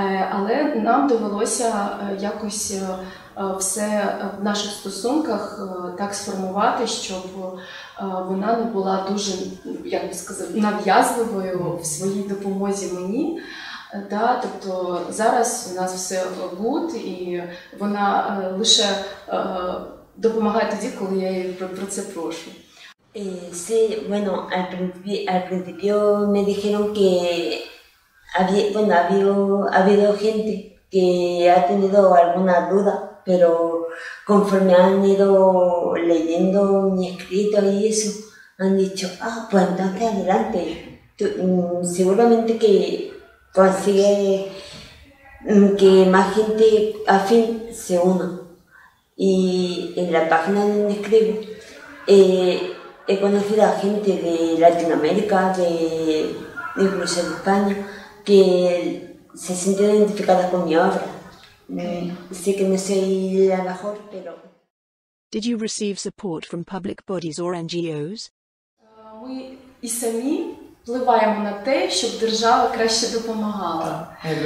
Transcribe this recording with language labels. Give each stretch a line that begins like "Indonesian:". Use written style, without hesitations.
Ukrainian: Але нам довелося якось все в наших стосунках так сформувати, щоб вона не була дуже, як би сказати, нав'язливою в своїй допомозі мені. Да, тобто зараз у нас все good, і вона лише допомагає тоді, коли я її про це прошу.
Spanish: Sí, bueno, al principio me dijeron que ha habido gente que ha tenido alguna duda, pero conforme han ido leyendo mi escrito y eso, han dicho, ah, pues entonces adelante, tú, seguramente que consigue que más gente afín se una. Y en la página donde escribo, he conocido a gente de Latinoamérica, incluso de España, que se siente identificada con mi obra. Okay. Sé que no soy la mejor, pero...
English: Did you receive support from public bodies or NGOs?
Ukrainian: Ми і самі впливаємо на те, щоб держава краще допомагала.